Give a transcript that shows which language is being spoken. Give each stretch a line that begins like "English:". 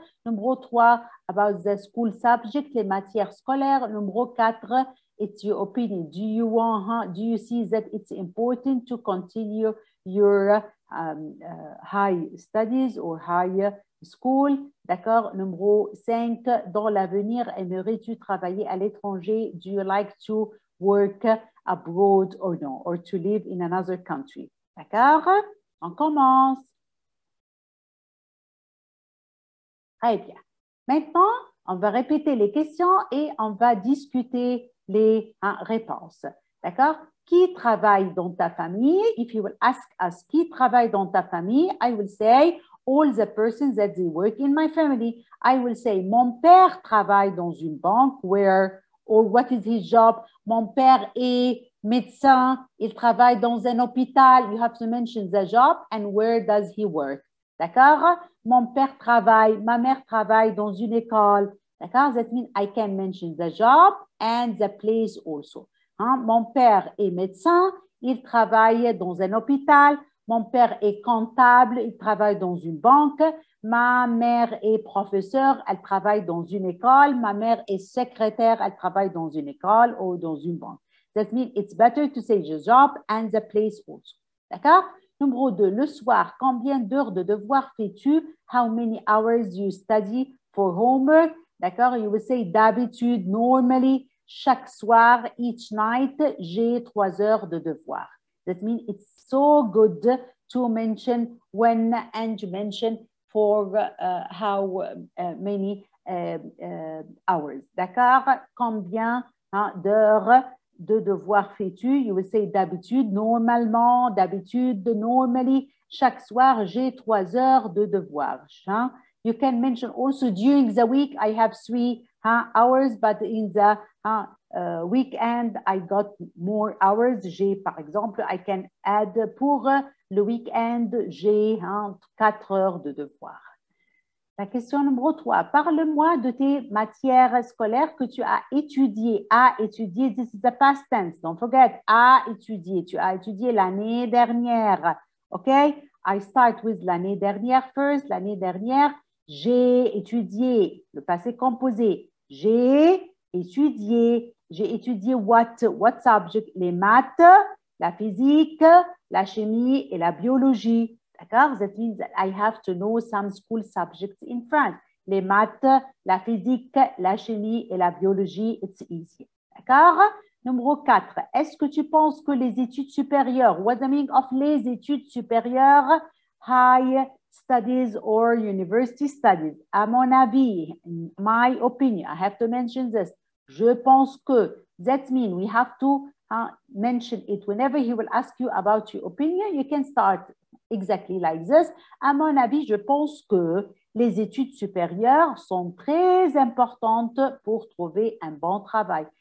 English: Number 3, about the school subject,
French: les matières scolaires.
English: Number 4, it's your opinion. Do you want, do you see that it's important to continue your high studies or higher school?
French: D'accord. Number 5, dans l'avenir, aimerais-tu travailler à l'étranger?
English: Do you like to work abroad or no? Or to live in another country?
French: D'accord? On commence. Très bien. Maintenant, on va répéter les questions et on va discuter les réponses. D'accord? Qui travaille dans ta famille?
English: If you will ask us
French: qui travaille dans ta famille, I will say,
English: all the persons that they work in my family, I will say,
French: mon père travaille dans une banque,
English: where, or what is his job?
French: Mon père est médecin, il travaille dans un hôpital.
English: You have to mention the job and where does he work.
French: D'accord? Mon père travaille, ma mère travaille dans une école. D'accord?
English: That means I can mention the job and the place also. Hein?
French: Mon père est médecin, il travaille dans un hôpital. Mon père est comptable, il travaille dans une banque. Ma mère est professeure, elle travaille dans une école. Ma mère est secrétaire, elle travaille dans une école ou dans une banque.
English: That means it's better to say the job and the place also.
French: D'accord? Numéro 2, le soir, combien d'heures de devoir fais-tu?
English: How many hours do you study for homework? D'accord? You will say d'habitude, normally, chaque soir, each night,
French: j'ai 3 heures de devoir.
English: That means it's so good to mention when and to mention for how many hours.
French: D'accord? Combien hein, d'heures de devoir fais-tu?
English: You will say
French: d'habitude, normalement, d'habitude, normally, chaque soir, j'ai 3 heures de devoir. Hein?
English: You can mention also during the week, I have 3 hours, but in the weekend, I got more hours.
French: J'ai, par exemple,
English: I can add
French: pour le weekend, j'ai 4 heures de devoir. La question numéro 3, parle-moi de tes matières scolaires que tu as étudiées. A étudié, this is the past tense, don't forget, a étudié, tu as étudié l'année dernière.
English: OK, I start with
French: l'année dernière
English: first, l'année dernière.
French: J'ai étudié, le passé composé, j'ai étudié
English: what subject?
French: Les maths, la physique, la chimie et la biologie, d'accord?
English: That means that I have to know some school subjects in France.
French: Les maths, la physique, la chimie et la biologie,
English: it's easy,
French: d'accord? Numéro 4, est-ce que tu penses que les études supérieures,
English: what's the meaning of les études supérieures, high studies or university studies.
French: À mon avis, my opinion, I have to mention this. Je pense que,
English: that means we have to mention it. Whenever he will ask you about your opinion, you can start exactly like this.
French: À mon avis, je pense que les études supérieures sont très importantes pour trouver un bon travail.